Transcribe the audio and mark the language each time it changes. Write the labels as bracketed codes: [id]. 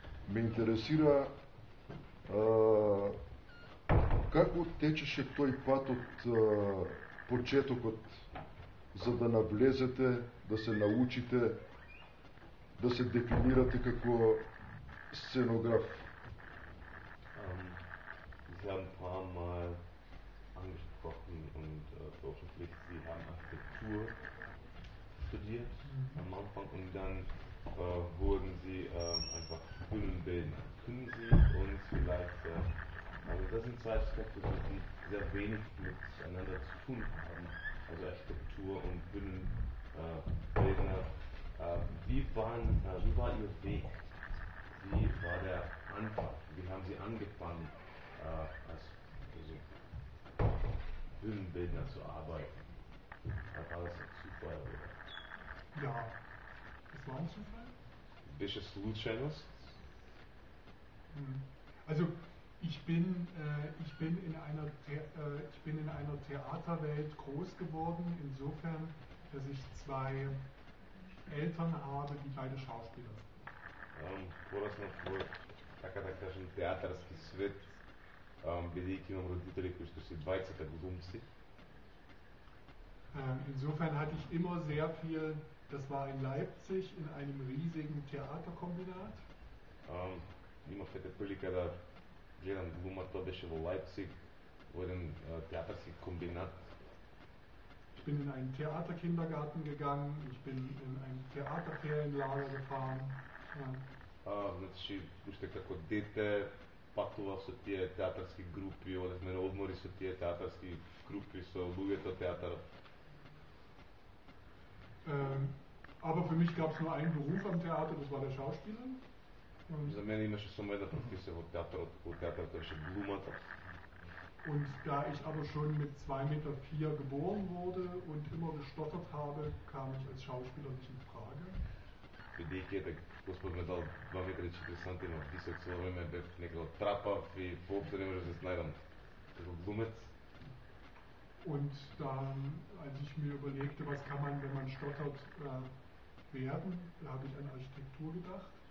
[mk] Ме интересира како течеше тој пат од почетокот за да навлезете, да се научите, да се дефинирате како сценограф. [de] Sie haben ein paar Mal angesprochen und veröffentlicht, Sie haben Architektur studiert am Anfang und dann wurden Sie einfach Bühnenbildner. Können Sie uns vielleicht, also das sind zwei Aspekte, die sehr wenig miteinander zu tun haben, also Architektur und Bühnenbildner. Wie war Ihr Weg? Wie war der Anfang? Wie haben Sie angefangen? Also Bühnenbildner zu arbeiten. War das ein Zufall, oder? Ja, es war ein Zufall. Welche Solutions? Also ich bin in einer Theaterwelt groß geworden, insofern, dass ich zwei Eltern habe, die beide Schauspieler sind. Ein Theater, das ist [mk] бидејќи имам родители кои што се двајцата глумци. [de] Insofern hatte ich immer sehr viel, das war in Leipzig, in einem riesigen Theaterkombinat. [mk] Имав ете прилика да гледам глума, тоа беше во Лајпциг, во еден театарски комбинат. [de] Ich bin in einen Theaterkindergarten gegangen, ich bin in ein Theaterferienlager gefahren. [mk] Значи, уште како дете, патував со тие театарски групи, одевме на одмори со тие театарски групи, со луѓето театарот. [de] Aber für mich gab es nur einen Beruf am Theater, das war der Schauspieler. [mk] За мене имаше само една професија во театарот, во театарот беше глумата. [de] Und da ich aber schon mit 2,4 Meter geboren wurde und immer gestottert habe, kam ich als Schauspieler nicht in Frage. [mk] Бидејќи ете Господ ме дал 2,4 сантиметра, висок цело време бев некако трапав и воопшто не можев да се најдам како глумец. [de] Und dann, als ich mir überlegte, was kann man, wenn man stottert, werden, da habe ich an Architektur gedacht.